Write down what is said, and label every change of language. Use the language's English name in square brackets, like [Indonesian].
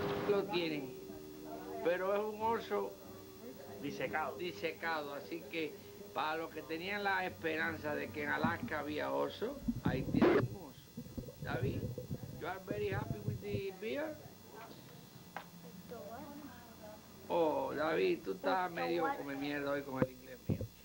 [Spanish] Lo tienen, pero es un oso disecado, así que para los que tenían la esperanza de que en Alaska había oso, ahí tienen un oso. [English] David, you are very happy with the beer? [Spanish] Oh, David, tú estás medio come mierda hoy con el inglés mío.